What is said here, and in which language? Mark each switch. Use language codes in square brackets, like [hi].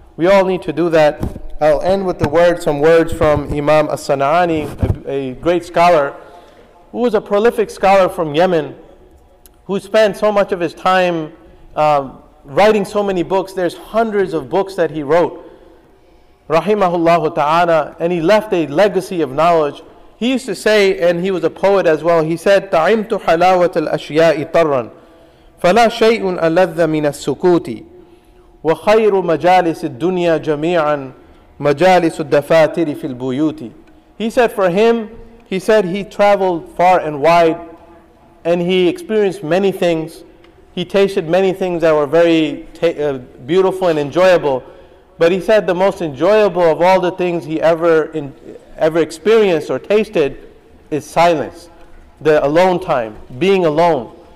[en] We all need to do that. I'll end with some words from Imam As-Sana'ani, a great scholar, who was a prolific scholar from Yemen, who spent so much of his time writing so many books. There's hundreds of books that he wrote, rahimahullahu ta'ala, and he left a legacy of knowledge. He used to say, and he was a poet as well, he said, [ar] تَعِمْتُ حَلَاوَةَ الْأَشْيَاءِ طَرًّا فَلَا شَيْءٌ أَلَذَّ مِنَ السُّكُوتِ وَخَيْرُ مَجَالِسِ الدُّنْيَا جَمِيعًا مَجَالِسُ الدَّفَاتِرِ فِي الْبُيُوتِ. [en] He said for him, he said he traveled far and wide and he experienced many things. He tasted many things that were very beautiful and enjoyable. But he said the most enjoyable of all the things he ever experienced or tasted is silence, the alone time, being alone.